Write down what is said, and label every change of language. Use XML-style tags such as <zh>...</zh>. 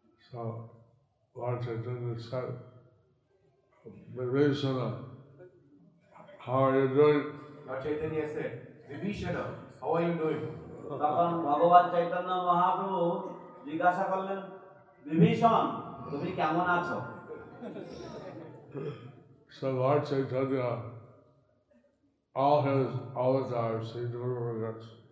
<en>So Lord Chaitanya said, Vibhishana, how are you doing? Lord Chaitanya said, Vibhishana, how are you doing?</en> <bn>তখন ভগবান চৈতন্য মহাপ্রভু জিজ্ঞাসা করলেন বিভীষণ তুমি কেমন আছো</bn> <en>So Lord Chaitanya, all his avatars, he never forgets.</en>